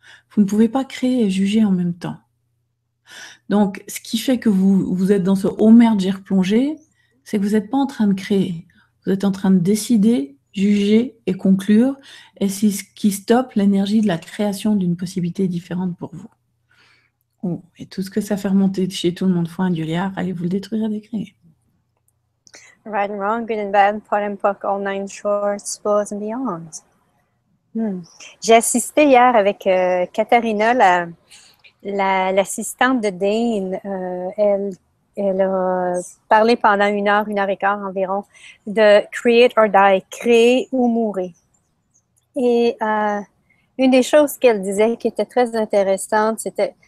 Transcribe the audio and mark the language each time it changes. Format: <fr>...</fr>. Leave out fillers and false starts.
<fr>Vous ne pouvez pas créer et juger en même temps. Donc, ce qui fait que vous êtes dans ce oh merde, j'ai replongé, c'est que vous n'êtes pas en train de créer. Vous êtes en train de décider, juger et conclure. Et c'est ce qui stoppe l'énergie de la création d'une possibilité différente pour vous. Oh, et tout ce que ça fait remonter chez tout le monde, foin du liard, allez vous le détruire et décrire.</fr> <en>Right and wrong, good and bad, pot and puck, all nine shorts, balls and beyond.</en> <fr>J'ai assisté hier avec Katharina, l'assistante de Dane. Elle a parlé pendant une heure et quart environ, de</fr> <en>create or die,</en> <fr>créer ou mourir. Et une des choses qu'elle disait qui était très intéressante, c'était.</fr>